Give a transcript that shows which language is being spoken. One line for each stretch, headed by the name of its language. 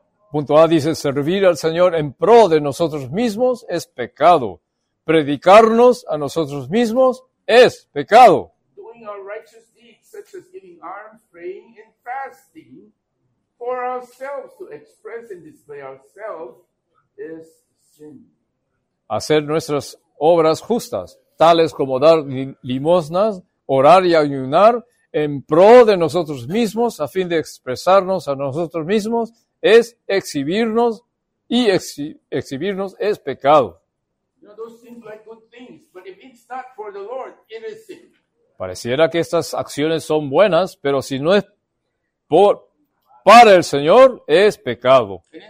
Spanish: Punto A dice, servir al Señor en pro de nosotros mismos es pecado. Predicarnos a nosotros mismos es pecado.
English: Doing our righteous deeds, such as giving alms, praying, and fasting, for ourselves to express and display ourselves is sin.
Spanish: Hacer nuestras obras justas, tales como dar limosnas, orar y ayunar, en pro de nosotros mismos, a fin de expresarnos a nosotros mismos, es exhibirnos, y exhibirnos es pecado.
English: You know, those seem like good things, but if it's not for the Lord, it is sin.
Spanish: Pareciera que estas acciones son buenas, pero si no es por para el Señor es pecado.